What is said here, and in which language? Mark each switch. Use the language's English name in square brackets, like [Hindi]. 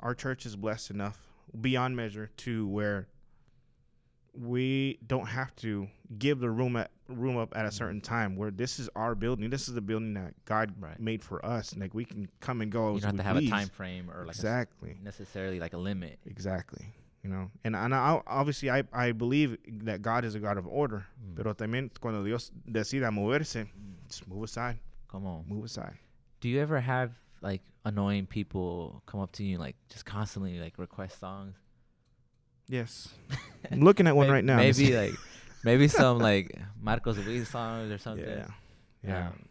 [English] Our church is blessed enough beyond measure to where we don't have to give the room up at a certain time. Where this is our building. This is the building that God made for us. Like, we can come and go. You don't have to have a time frame or necessarily like a limit. Exactly. You know, and obviously I believe that God is a God of order. [Spanish] Pero también cuando Dios decida moverse, [English] just move aside. Come on. Move aside. Do you ever have like annoying people come up to you like just constantly like request songs? Yes. I'm looking at one right now. Maybe like maybe some like Marcos Ruiz songs or something. Yeah.